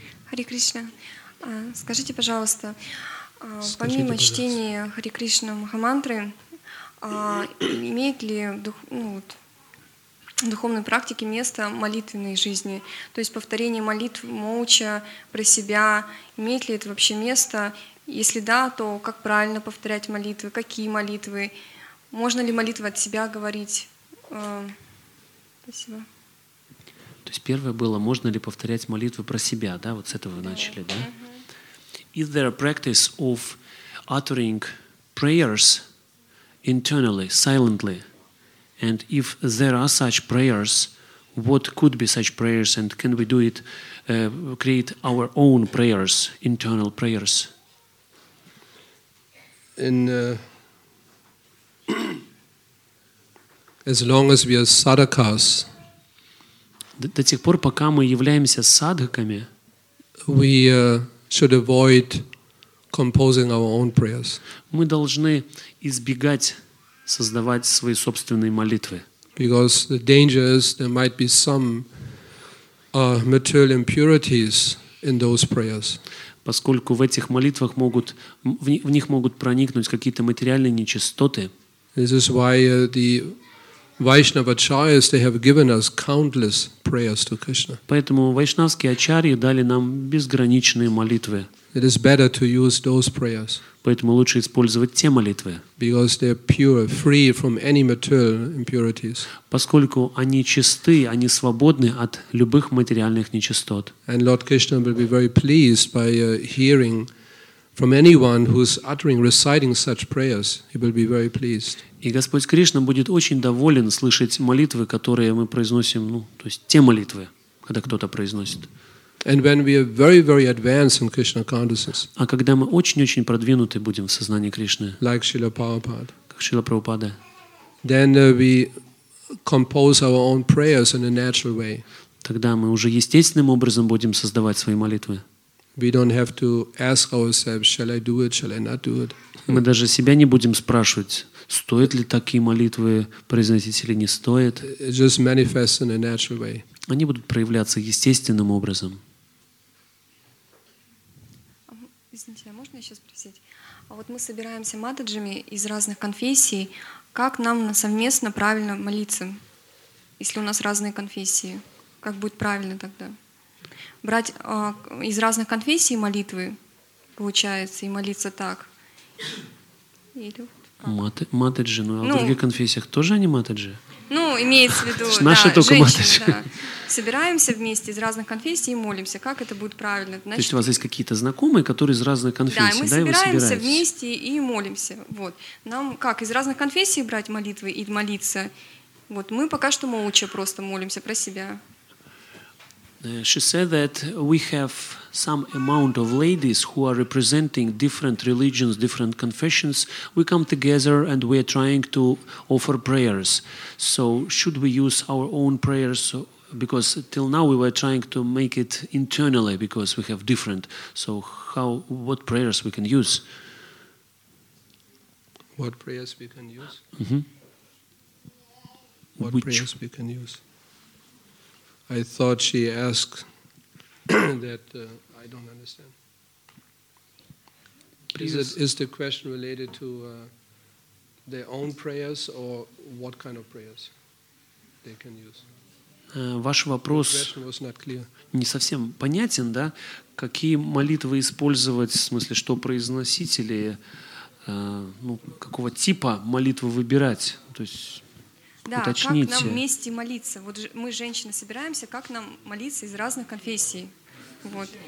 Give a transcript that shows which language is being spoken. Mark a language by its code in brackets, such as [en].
[ru] Хари Кришна, скажите, пожалуйста, помимо чтения Хари Кришна Махамантры, имеет ли дух, ну вот, в духовной практике место молитвенной жизни, то есть повторение молитв молча, про себя, имеет ли это вообще место? Если да, то как правильно повторять молитвы, какие молитвы? Можно ли молитвы от себя говорить? Спасибо. То есть первое было, можно ли повторять молитвы про себя, да, вот с этого вы начали, да? [en] Is there a practice of uttering prayers internally, silently? And if there are such prayers, what could be such prayers, and can we do it, create our own prayers, internal prayers? In as long as we are sadhakas, [ru] до тех пор, пока мы являемся садхаками, [en] we should avoid composing our own prayers. [ru] Мы должны избегать создавать свои собственные молитвы. [en] Because the danger is there might be some material impurities in those prayers. [ru] Поскольку в этих молитвах могут в них могут проникнуть какие-то материальные нечистоты. [en] This is why the Vaishnava acharyas, they have given us countless prayers to Krishna. [ru] Поэтому вайшнавские ачарьи дали нам безграничные молитвы. [en] It is better to use those prayers. [ru] Поэтому лучше использовать те молитвы. [en] Because they are pure, free from any material impurities. [ru] Поскольку они чисты, они свободны от любых материальных нечистот. [en] And Lord Krishna will be very pleased by hearing from anyone who is uttering, reciting such prayers. He will be very pleased. [ru] И Господь Кришна будет очень доволен слышать молитвы, которые мы произносим, ну, то есть те молитвы, когда кто-то произносит. [en] And when we are very, very advanced in Krishna consciousness. [ru] А когда мы очень-очень продвинуты будем в сознании Кришны. [en] Like Srila Prabhupada. [ru] Как Шрила Прабхупада. [en] Then we compose our own prayers in a natural way. [ru] Тогда мы уже естественным образом будем создавать свои молитвы. [en] We don't have to ask ourselves, shall I do it, shall I not do it? [ru] Мы даже себя не будем спрашивать, стоит ли такие молитвы произносить или не стоит. [en] It just manifests in a natural way. [ru] Они будут проявляться естественным образом. Извините, а можно еще спросить? А вот мы собираемся матаджами из разных конфессий. Как нам совместно правильно молиться, если у нас разные конфессии? Как будет правильно тогда? Брать из разных конфессий молитвы, получается, и молиться так? Или вот как? Матаджи, ну а в других конфессиях тоже они матаджи? Ну, имеется в виду, да, наши только женщины, да. Собираемся вместе из разных конфессий и молимся. Как это будет правильно? Значит, то есть у вас есть какие-то знакомые, которые из разных конфессий, да, и мы собираемся вместе и молимся. Вот. Нам как, из разных конфессий брать молитвы и молиться? Вот мы пока что молча просто молимся про себя. [en] She said that we have some amount of ladies who are representing different religions, different confessions. We come together and we are trying to offer prayers. So should we use our own prayers? Because till now we were trying to make it internally because we have different. So how, what prayers we can use? What prayers we can use? Mm-hmm. What prayers we can use? I thought she asked that I don't understand. Is the question related to their own prayers or what kind of prayers they can use? [ru] Ваш вопрос не совсем понятен, да? Какие молитвы использовать, в смысле, что произносить или ну, какого типа молитвы выбирать? То есть... Да, уточните. Как нам вместе молиться? Вот мы, женщины, собираемся, как нам молиться из разных конфессий? Вот.